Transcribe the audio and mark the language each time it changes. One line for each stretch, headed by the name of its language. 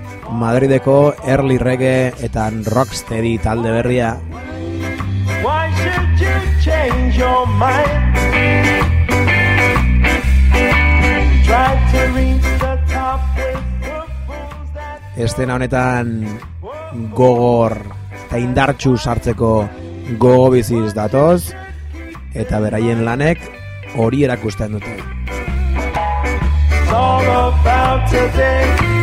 Basque: Madrideko early reggae eta rocksteady talde berria.
English: Why should you change your mind? Try to reach the top with the fools that...
Basque: Estena honetan gogor eta indartxu sartzeko gogo biziz datoz eta beraien lanek hori erakusten dute.
English: It's all about today.